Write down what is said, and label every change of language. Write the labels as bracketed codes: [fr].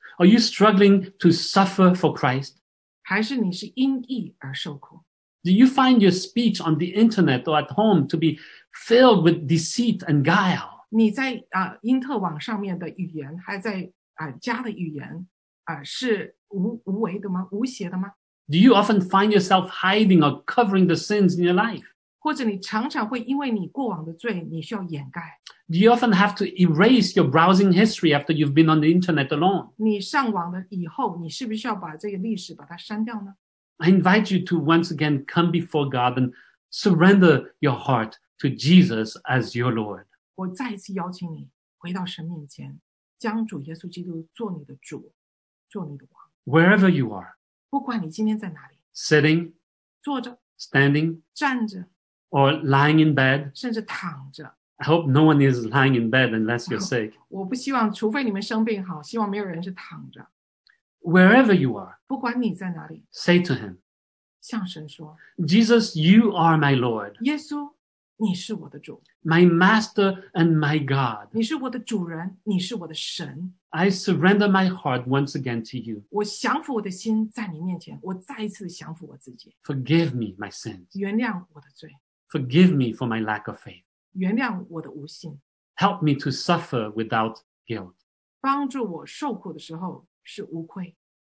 [en] Are you struggling to suffer for Christ? [zh] 还是你是因义而受苦？ [en] Do you find your speech on the internet or at home to be filled with deceit and guile? [zh] 你在因特网上面的语言，还在家的语言是无为的吗？无邪的吗？ [en] Do you often find yourself hiding or covering the sins in your life? [zh] 或者你常常会因为你过往的罪，你需要掩盖？ [en] Do you often have to erase your browsing history after you've been on the internet alone? [zh] 你上网了以后，你是不是要把这个历史把它删掉呢？ [en] I invite you to once again come before God and surrender your heart to Jesus as your Lord. [zh] 我再一次邀请你回到神面前，将主耶稣基督做你的主，做你的王。 [en] Wherever you are, [zh] 不管你今天在哪里， [en] sitting, [zh] 坐着， [en] standing, [zh] 站着， [en] or lying in bed, [zh] 甚至躺着。 [en] I hope no one is lying in bed unless you're sick. [zh] 我不希望，除非你们生病好，希望没有人是躺着。 [en] Wherever you are, [zh] 不管你在哪里， [en] say to him, [zh] 向神说， [en] Jesus, you are my Lord. [zh] 耶稣，你是我的主。 [en] My master and my God. [zh] 你是我的主人，你是我的神。 [en] I surrender my heart once again to you. [zh] 我降服我的心在你面前，我再一次降服我自己。 [en] Forgive me my sins. [zh] 原谅我的罪。 [en] Forgive me for my lack of faith. [zh] 原谅我的无信。 [en] Help me to suffer without guilt. [zh] 帮助我受苦的时候是无愧。